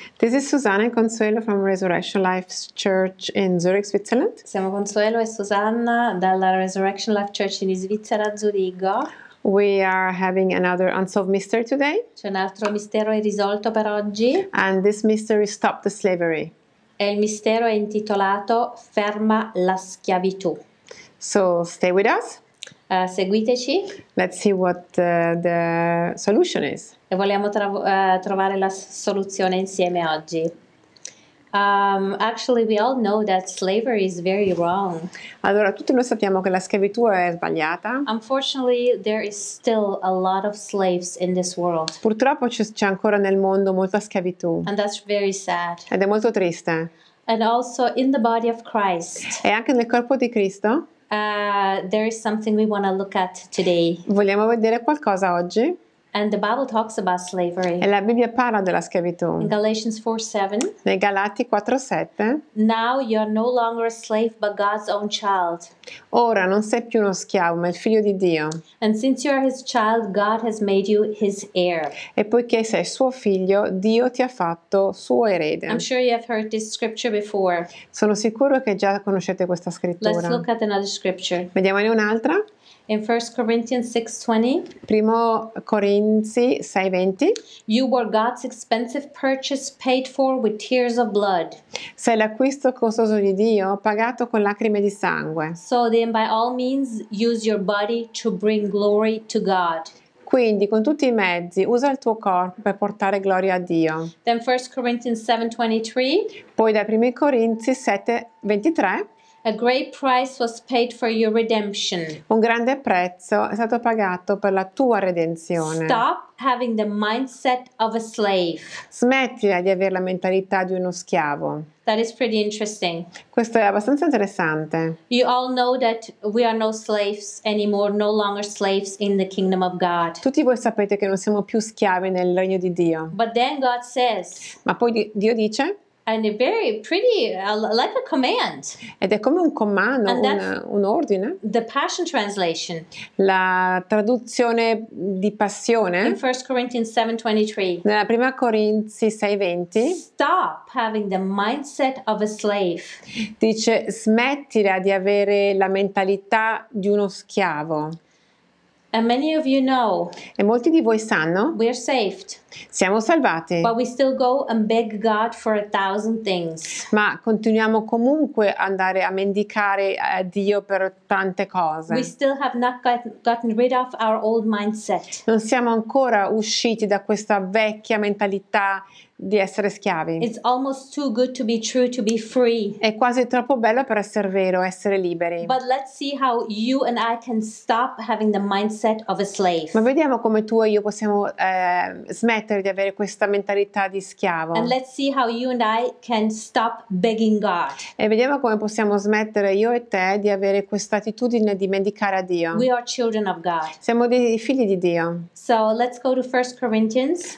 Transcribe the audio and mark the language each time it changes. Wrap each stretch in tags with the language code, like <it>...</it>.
<en>This is Susanna and Consuelo from Resurrection Life Church in Zurich, Switzerland.</en> <it>Siamo Consuelo e Susanna dalla Resurrection Life Church in Svizzera, Zurigo.</it> <en>We are having another unsolved mystery today.</en> <it>C'è un altro mistero irrisolto per oggi.</it> <en>And this mystery stopped the slavery.</en> <it>E il mistero è intitolato Ferma la schiavitù.</it> <en>So stay with us.</en> <it>Seguiteci.</it> <en>Let's see what the solution is.</en> <it>E vogliamo trovare la soluzione insieme oggi.</it> <en>Actually, we all know that slavery is very wrong.</en> <it>Allora, tutti noi sappiamo che la schiavitù è sbagliata.</it> <en>Unfortunately, there is still a lot of slaves in this world.</en> <it>Purtroppo c'è ancora nel mondo molta schiavitù.</it> <en>And that's very sad.</en> <it>Ed è molto triste.</it> <en>And also in the body of Christ.</en> <it>E anche nel corpo di Cristo.</it> <en>There is something we want to look at today.</en> <it>Vogliamo vedere qualcosa oggi.</it> <en>And the Bible talks about slavery.</en> <it>E la Bibbia parla della schiavitù.</it> <en>In Galatians 4:7.</en> <it>Nei Galati 4:7.</it> <en>Now you are no longer a slave, but God's own child.</en> <it>Ora non sei più uno schiavo, ma il figlio di Dio.</it> <en>And since you are His child, God has made you His heir.</en> <it>E poiché sei suo figlio, Dio ti ha fatto suo erede.</it> <en>I'm sure you have heard this scripture before.</en> <it>Sono sicuro che già conoscete questa scrittura.</it> <en>Let's look at another scripture.</en> <it>Vediamone un'altra.</it> <en>In 1 Corinthians 6:20.</en> <it>Primo Corinzi 6:20.</it> <en>You were God's expensive purchase, paid for with tears of blood.</en> <it>Sei l'acquisto costoso di Dio, pagato con lacrime di sangue.</it> <en>So then, by all means, use your body to bring glory to God.</en> <it>Quindi, con tutti i mezzi, usa il tuo corpo per portare gloria a Dio.</it> <en>Then 1 Corinthians 7:23.</en> <it>Poi da Primo Corinzi 7:23.</it> <en>A great price was paid for your redemption.</en> <it>Un grande prezzo è stato pagato per la tua redenzione.</it> <en>Stop having the mindset of a slave.</en> <it>Smettila di avere la mentalità di uno schiavo.</it> <en>That is pretty interesting.</en> <it>Questo è abbastanza interessante.</it> <en>You all know that we are no slaves anymore, no longer slaves in the kingdom of God.</en> <it>Tutti voi sapete che non siamo più schiavi nel regno di Dio.</it> <en>But then God says.</en> <it>Ma poi Dio dice.</it> <en>And a very pretty, like a command.</en> <it>Ed è come un comando, un ordine.</it> <en>The Passion Translation.</en> <it>La traduzione di passione.</it> <en>In 1 Corinthians 7:23.</en> <it>Nella prima Corinzi 6:20.</it> <en>Stop having the mindset of a slave.</en> <it>Dice smettila di avere la mentalità di uno schiavo.</it> <en>And many of you know.</en> <it>E molti di voi sanno.</it> <en>We are saved.</en> <it>Siamo salvati.</it> <en>But we still go and beg God for 1,000 things.</en> <it>Ma continuiamo comunque andare a mendicare a Dio per tante cose.</it> <en>We still have not gotten rid of our old mindset.</en> <it>Non siamo ancora usciti da questa vecchia mentalità di essere schiavi.</it> <en>It's almost too good to be true to be free.</en> <it>È quasi troppo bello per essere vero, essere liberi.</it> <en>But let's see how you and I can stop having the mindset of a slave.</en> <it>Ma vediamo come tu e io possiamo smettere di avere questa mentalità di schiavo.</it> <en>And let's see how you and I can stop begging God.</en> <it>E vediamo come possiamo smettere io e te di avere questa attitudine di mendicare a Dio.</it> <en>We are children of God.</en> <it>Siamo dei figli di Dio.</it> <en>So let's go to 1 Corinthians.</en>